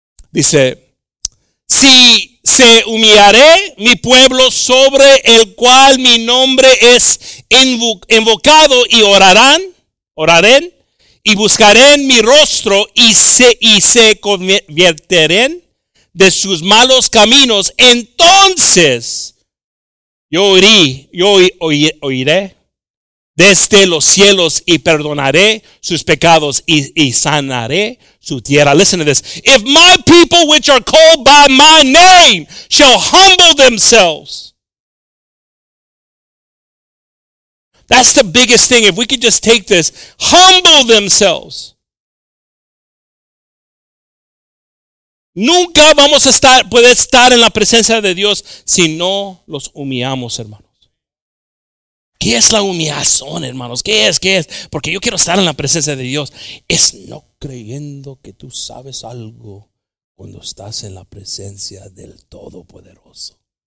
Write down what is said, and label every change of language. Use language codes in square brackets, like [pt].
[es] Dice, si se humillaré mi pueblo sobre el cual mi nombre es invocado y oraren y buscarán mi rostro y se convertirán de sus malos caminos, entonces yo oiré desde los cielos y perdonaré sus pecados y sanaré su tierra. [en] Listen to this. If my people which are called by my name shall humble themselves. That's the biggest thing. If we could just take this. Humble themselves. [es] Nunca vamos a estar, puede estar en la presencia de Dios si no los humillamos, hermano. ¿Qué es la humillación, hermanos? ¿Qué es? Porque yo quiero estar en la presencia de Dios. Es no creyendo que tú sabes algo cuando estás en la presencia del Todopoderoso.